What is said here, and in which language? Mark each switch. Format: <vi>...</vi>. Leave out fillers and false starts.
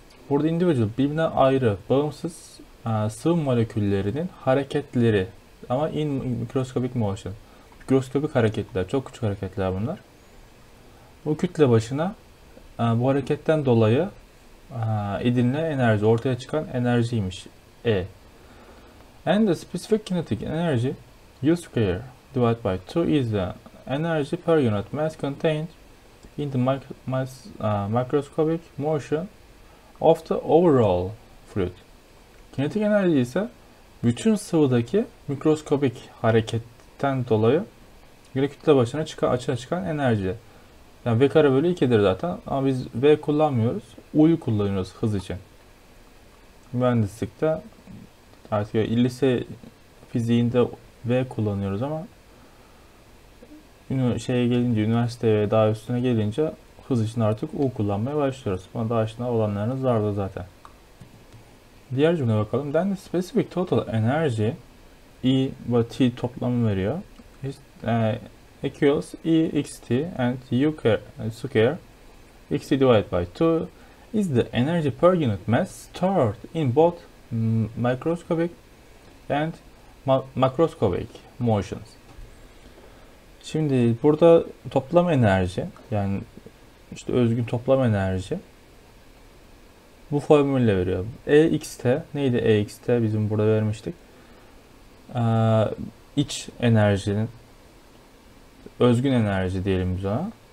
<tr>Burada individual, birbirinden ayrı, bağımsız sıvı moleküllerinin hareketleri ama</tr> <en>in microscopic motion.</en> <tr>Mikroskopik hareketler, çok küçük hareketler bunlar. Bu kütle başına bu hareketten dolayı edinilen enerji, ortaya çıkan enerjiymiş E.</tr> <en>And the specific kinetic energy U square divided by 2 is the energy per unit mass contained in the microscopic motion of the overall fluid.</en> <tr>Kinetik enerji ise bütün sıvıdaki mikroskopik hareketten dolayı yine kütle başına açığa çıkan enerji. Yani V kare bölü 2'dir zaten ama biz V kullanmıyoruz. U'yu kullanıyoruz hız için. mühendislikte artık lise fiziğinde V kullanıyoruz ama şeye gelince, üniversiteye daha üstüne gelince hız için artık U kullanmaya başlıyoruz. Buna daha aşina olanlarınız vardı zaten. Diğer cümle bakalım.</tr> <en>Then the specific total energy E</en> <tr>ve T toplamı veriyor.</tr> <en>Equals E XT and U square, square XT divided by 2 is the energy per unit mass stored in both microscopic and macroscopic motions.</en> <tr>Şimdi burada toplam enerji, yani işte özgün toplam enerji bu formülle veriyor. EXT neydi? EXT bizim burada vermiştik. İç enerjinin özgün enerji diyelim biz ona.</tr>